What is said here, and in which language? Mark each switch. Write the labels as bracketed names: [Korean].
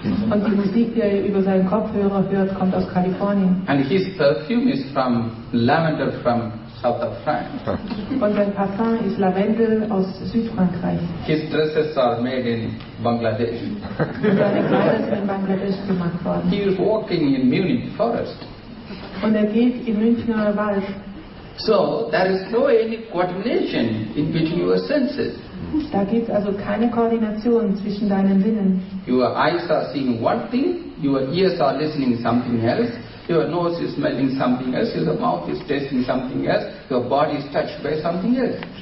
[German] Und die Musik, die über seinen Kopfhörer hört, kommt aus Kalifornien. [English] And his perfume is from lavender from south of France. [German] Und sein Parfum ist Lavendel aus Südfrankreich. [English] His dresses are made in Bangladesch. [German] Seine Kleider sind in Bangladesch gemacht worden. [English] He is walking in Munich forest. [German] Und geht im Münchner Wald. [English] So there is no any coordination in between your senses. [German] Da gibt es also keine Koordination zwischen deinen Sinnen. [English] Your eyes are seeing one thing, your ears are listening something else, your nose is smelling something else, your mouth is tasting something else, your body is touched by something else.